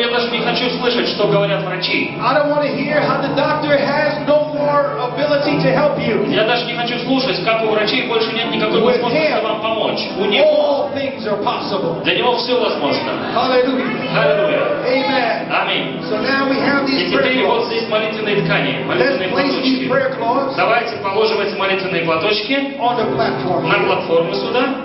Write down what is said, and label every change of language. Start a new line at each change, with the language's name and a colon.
Russian: я даже не хочу слышать, что говорят врачи.
English: I don't want to hear how the doctor has no more ability to help you.
Russian: Я даже не хочу слушать, как у врачей больше нет никакой возможности вам помочь. У него
English: all things are possible.
Russian: Для него все возможно.
English: Hallelujah. Hallelujah. Amen.
Russian: Аминь.
English: So now we have these prayer cloths.
Russian: И теперь вот здесь молитвенные ткани, молитвенные платочки. Давайте положим эти молитвенные платочки на платформу сюда.